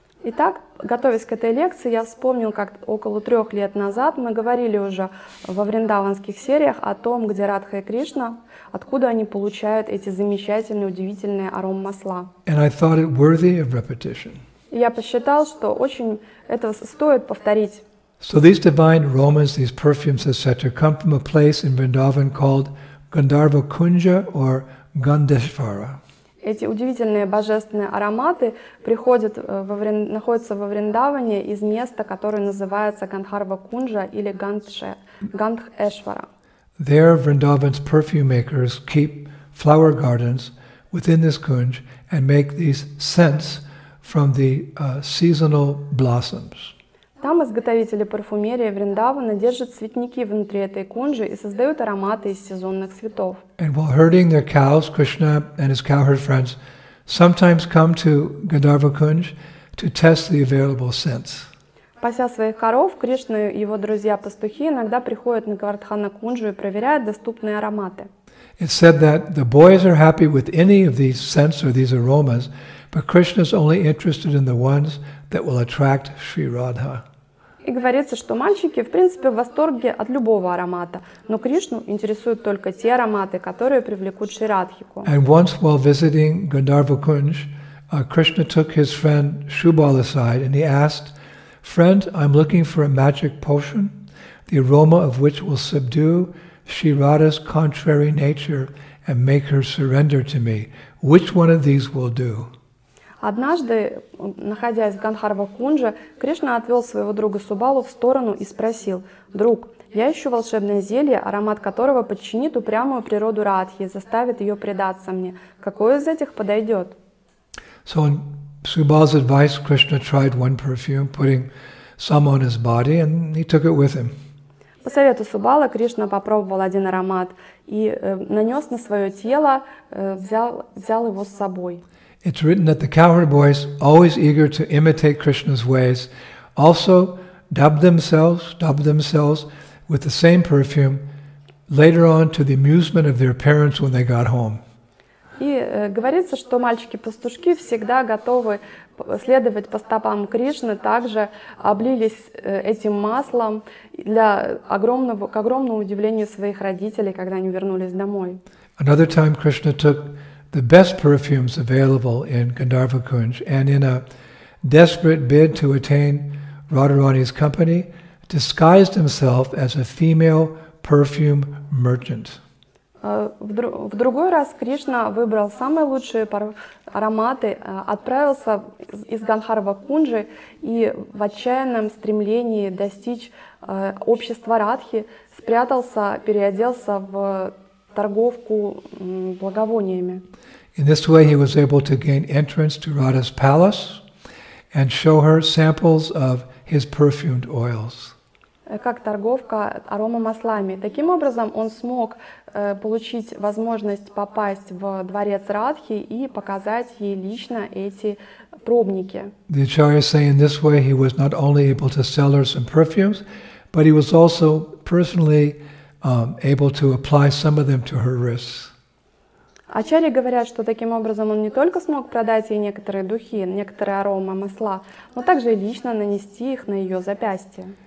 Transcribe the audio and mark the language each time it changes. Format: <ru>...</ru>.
<ru>Итак, готовясь к этой лекции, я вспомнил, как около трех лет назад мы говорили уже во Вриндаванских сериях о том, где Радха и Кришна, откуда они получают эти замечательные, удивительные аром-масла.</ru> <en>And I thought it worthy of repetition.</en> <ru>Я посчитал, что очень это стоит повторить.</ru> <en>So these divine aromas, these perfumes, etc., come from a place in Vrindavan called Gandharva Kunja or Gandheshvara.</en> <ru>Эти удивительные божественные ароматы приходят находятся во Вриндаване из места, которое называется Гандхарва Кунджа или Гандхешвара.</ru> <en>There, Vrindavan's perfume makers keep flower gardens within this kunj and make these scents from the seasonal blossoms.</en> <ru>Там изготовители парфюмерии Вриндавана держат цветники внутри этой кунжи и создают ароматы из сезонных цветов.</ru> <en>And while herding their cows, Krishna and his cowherd friends sometimes come to Gandharva Kunj to test the available scents.</en> <ru>Пася своих коров, Кришна и его друзья-пастухи иногда приходят на Гвардхана Кунджу и проверяют доступные ароматы.</ru> <en>It's said that the boys are happy with any of these scents or these aromas, but Krishna is only interested in the ones that will attract Sri Radha.</en> <ru>И говорится, что мальчики, в принципе, в восторге от любого аромата, но Кришну интересуют только те ароматы, которые привлекут Шри Радхику.</ru> <en>And once while visiting Gandharva Kunj, Krishna took his friend Shubal aside and he asked, "Friend, I'm looking for a magic potion, the aroma of which will subdue Sri Radha's contrary nature and make her surrender to me. Which one of these will do?"</en> <ru>Однажды, находясь в Гандхарва Кунже, Кришна отвел своего друга Субалу в сторону и спросил: "Друг, я ищу волшебное зелье, аромат которого подчинит упрямую природу Радхи и заставит ее предаться мне. Какое из этих подойдет?"</ru> <en>So on Subal's advice, Krishna tried one perfume, putting some on his body, and he took it with him.</en> <ru>По совету Субала Кришна попробовал один аромат и нанес на свое тело, взял его с собой.</ru> <en>It's written that the cowherd boys, always eager to imitate Krishna's ways, also dubbed themselves with the same perfume later on to the amusement of their parents when they got home.</en> <ru>И говорится, что мальчики-пастушки всегда готовы следовать по стопам Кришны, также облились этим маслом к огромному удивлению своих родителей, когда они вернулись домой.</ru> <en>Another time Krishna took the best perfumes available in Gandharva Kunj and in a desperate bid to attain Radharani's company, disguised himself as a female perfume merchant.</en> <ru>В другой раз Кришна выбрал самые лучшие ароматы, отправился из Гандхарва Кунджи и в отчаянном стремлении достичь общества Радхи спрятался, переоделся в торговку благовониями.</ru> <en>In this way he was able to gain entrance to Radha's palace and show her samples of his perfumed oils.</en> <ru>Как торговка аромамаслами. Таким образом, он смог получить возможность попасть в дворец Радхи и показать ей лично эти пробники.</ru> <en>The acharyas say in this way he was not only able to sell her some perfumes, but he was also personally able to apply some of them to her wrists.</en> <ru>Ачарьи говорят, что таким образом он не только смог продать ей некоторые духи, некоторые аромамасла, но также лично нанести их на ее запястье.</ru>